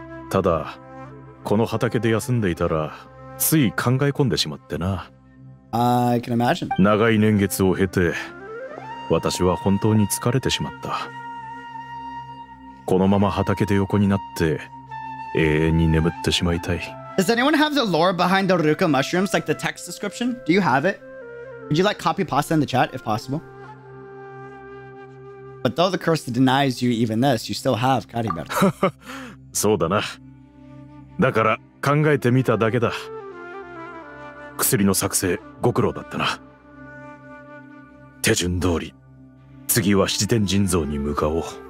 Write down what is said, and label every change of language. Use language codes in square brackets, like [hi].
[ja] ただ、この畑で休んでいたら、つい考え込んでしまってな。 [en] I can imagine. [ja] 長い年月を経て、私は本当に疲れてしまった。このまま畑で横になって、永遠に眠ってしまいたい。 [en] Does anyone have the lore behind the Ruka mushrooms, like the text description? Do you have it? Would you like copy pasta in the chat, if possible? But though the curse denies you even this, you still have Caribert. [ja] そうだな。だから考えてみただけだ。薬の作成、ご苦労だったな。手順通り、次は七天神像に向かおう。